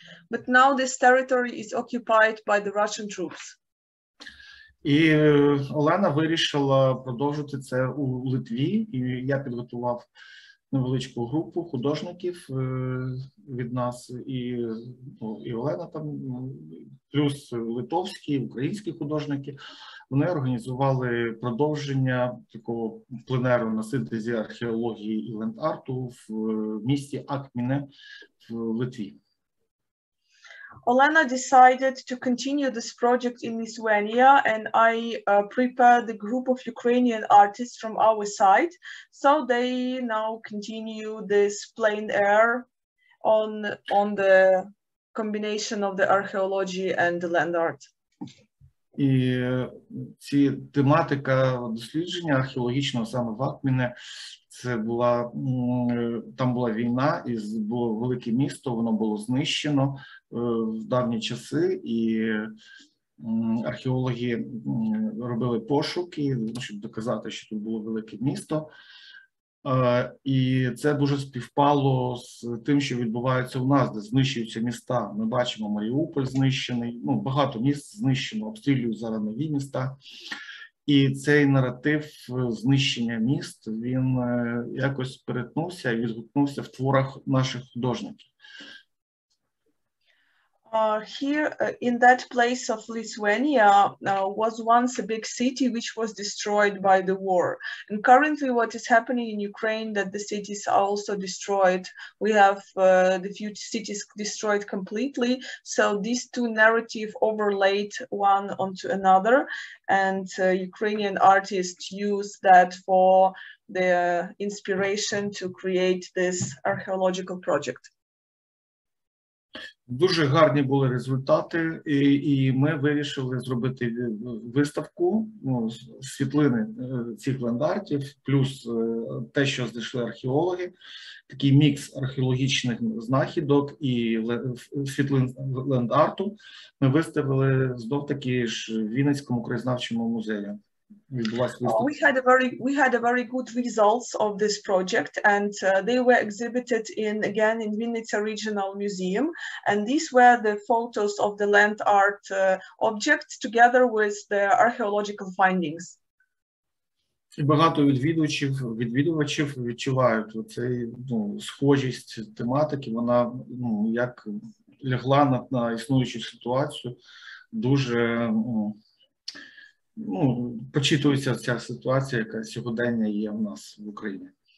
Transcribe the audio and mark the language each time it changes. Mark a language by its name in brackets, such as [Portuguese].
[English] But now this territory is occupied by the Russian troops. [Ukrainian] І Олена вирішила продовжити це у Литві, і я підготував невеличку групу художників від нас, і, ну, і Олена там, плюс литовські, українські художники, вони організували продовження такого пленеру на синтезі археології і ленд-арту в місті Акміне в Литві. [English] Olena decided to continue this project in Lithuania, and I prepared a group of Ukrainian artists from our side. So they now continue this plein air on the combination of the archaeology and the land art. [Ukrainian] І ці тематика дослідження археологічного саме в Акміне, це була, там була війна, і було велике місто, воно було знищено в давні часи, і археологи робили пошуки, щоб доказати, що тут було велике місто. І це дуже співпало з тим, що відбувається у нас, де знищуються міста. Ми бачимо Маріуполь знищений, ну, багато міст знищено, обстрілюють зараз нові міста. І цей наратив знищення міст, він якось перетнувся і відгукнувся в творах наших художників. [English] Here in that place of Lithuania was once a big city which was destroyed by the war. And currently what is happening in Ukraine, that the cities are also destroyed. We have the few cities destroyed completely. So these two narratives overlaid one onto another. And Ukrainian artists use that for their inspiration to create this archaeological project. [Ukrainian] Дуже гарні були результати, і ми вирішили зробити виставку, ну, світлини цих ландартів, плюс те, що знайшли археологи, такий мікс археологічних знахідок і світлин ландарту, ми виставили знов-таки ж в Вінницькому краєзнавчому музеї. [English] We had a very good results of this project, and they were exhibited in Vinnytsia Regional Museum, and these were the photos of the land art objects together with the archaeological findings. [Ukrainian] І багато відвідувачів відчувають цей, ну, схожість тематики, вона, ну, як лягла на існуючу ситуацію, дуже, ну, ну, почитується ця ситуація, яка сьогодення є в нас в Україні.